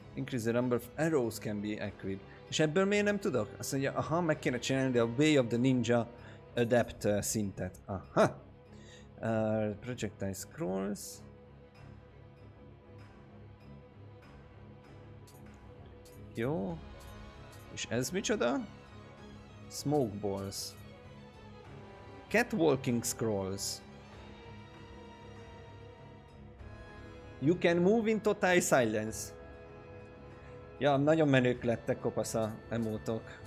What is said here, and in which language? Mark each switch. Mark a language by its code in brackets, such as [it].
[en] Increase the number of arrows can be equipped. [hu] És ebből miért nem tudok? Azt mondja, aha, meg kéne csinálni a Way of the Ninja Adept szintet. [en] Aha! Projectile scrolls. [hu] Jó. És ez micsoda? [en] Smoke balls. Catwalking scrolls. You can move in total silence. [hu] Ja, nagyon menők lettek kopasz a emótok.